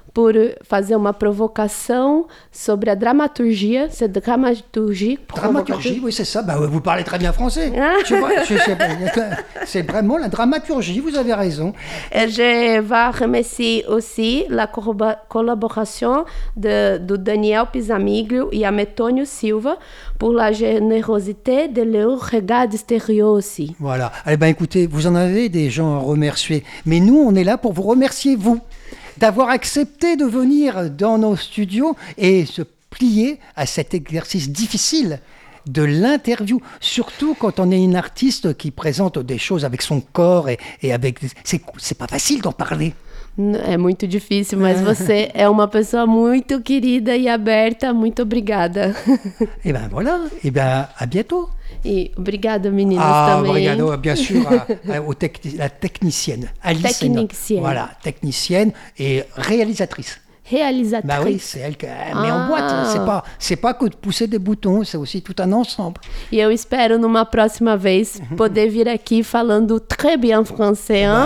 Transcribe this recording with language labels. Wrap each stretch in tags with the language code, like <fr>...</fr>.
<pt>por fazer uma provocação sobre a dramaturgia,</pt> <fr>c'est dramaturgie. Dramaturgie, oui, c'est ça. Bah, vous parlez très bien français. Ah. Tu vois, c'est vraiment la dramaturgie, vous avez raison. Et je vais remercier aussi la collaboration de Daniel Pisamiglio et Ametônio Silva pour la générosité de leur regard extérieur aussi. Voilà. Eh bien, écoutez, vous en avez des gens à remercier. Mais nous, on est là pour vous remercier, vous, d'avoir accepté de venir dans nos studios et se plier à cet exercice difficile de l'interview, surtout quand on est une artiste qui présente des choses avec son corps et avec... C'est pas facile d'en parler.</fr> <pt>É muito difícil, mas você é uma pessoa muito querida e aberta. Muito obrigada.</pt> <fr>Eh bien, voilà. Eh bien, à bientôt.</fr> <pt>E obrigada, meninas, também.</pt> <fr>Obrigado, bien sûr, à technicienne, Alice. Technicienne. Voilà, technicienne et réalisatrice. Réalisatrice. Bah oui, c'est elle qui met en boîte. C'est pas que de pousser des boutons, c'est aussi tout un ensemble.</fr> <pt>Et eu espero numa próxima vez poder vir aqui falando</pt> <fr>très bien français. Hein?</fr>